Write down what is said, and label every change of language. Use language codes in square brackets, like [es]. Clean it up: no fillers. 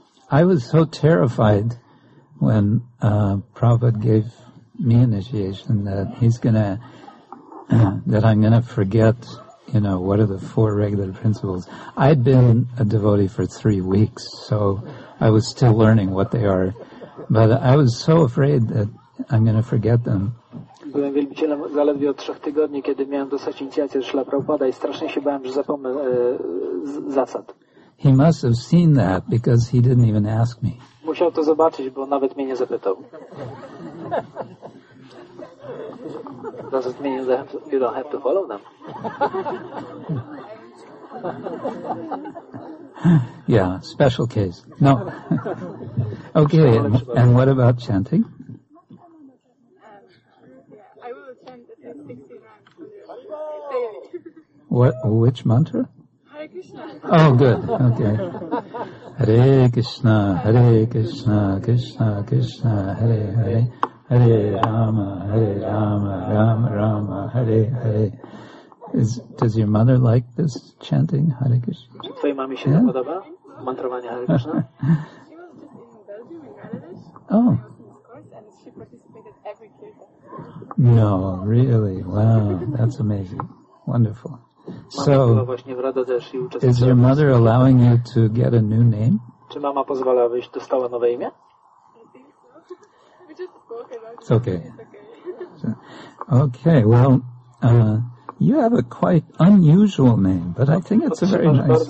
[en] I was so terrified when Prabhupada gave me initiation that he's gonna that I'm gonna forget. You know, what are the four regular principles? I'd been a devotee for 3 weeks, so I was still learning what they are. But I was so afraid that I'm going to forget them. [pl] Byłem wielbicielem zaledwie od 3 tygodni, kiedy miałem dostać inicjację z Śrila Prabhupada i strasznie się bałem, że zapomnę zasad. [en] He must have seen that because he didn't even ask me. [pl] Musiał to zobaczyć, bo nawet mnie nie zapytał. [en] Does it mean that you don't have to follow them? Yeah, special case. No. Okay, and what about chanting? I will chant at least 60 times daily. What? Which mantra? Hare Krishna. Oh, good. Okay. [sa] Hare Krishna, Hare Krishna, Krishna Krishna, Hare Hare. Hare Rama, Hare Rama, Rama Rama, Hare Hare. [en] Does your mother like this chanting, Hare Krishna? [pl] Czy twojej mamie się to podoba? Mantrowanie Hare Krishna? [en] Oh. No, really, wow, that's amazing, wonderful. So, is your mother allowing you to get a new name? [pl] Czy mama pozwala, abyś dostała nowe imię? [en] It's okay. Okay, well, you have a quite unusual name, but I think it's a very nice